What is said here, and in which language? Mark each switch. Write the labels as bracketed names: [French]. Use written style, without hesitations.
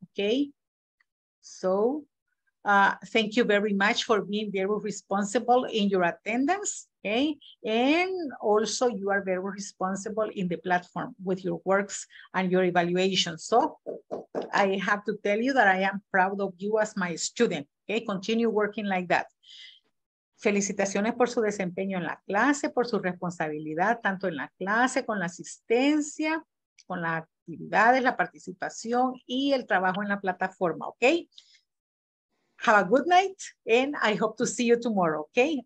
[English] Okay, so. Thank you very much for being very responsible in your attendance, okay? And also you are very responsible in the platform with your works and your evaluation. So I have to tell you that I am proud of you as my student, okay? Continue working like that. [Spanish] Felicitaciones por su desempeño en la clase, por su responsabilidad, tanto en la clase, con la asistencia, con las actividades, la participación y el trabajo en la plataforma, okay? [English] Have a good night, and I hope to see you tomorrow, okay?